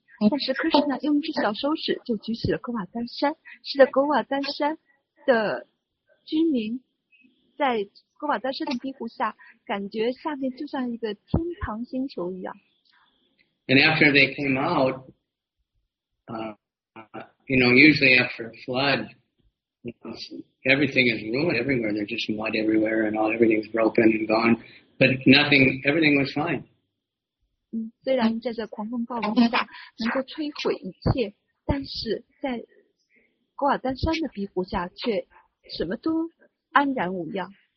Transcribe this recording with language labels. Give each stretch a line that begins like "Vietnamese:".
Chinese: 但是 Krishna 用只小手指就举起了钩瓦丹山，使得钩瓦丹山的居民在钩瓦丹山的庇护下，感觉下面就像一个天堂星球一样。
English: And after they came out, you know, usually after a flood,Everything is ruined everywhere. There's just mud everywhere, and all everything's broken and gone. But nothing, everything was fine.
Chinese: 虽然在这狂风暴雨下能够摧毁一切，但是在钩瓦丹山的庇护下却什么都安然无恙。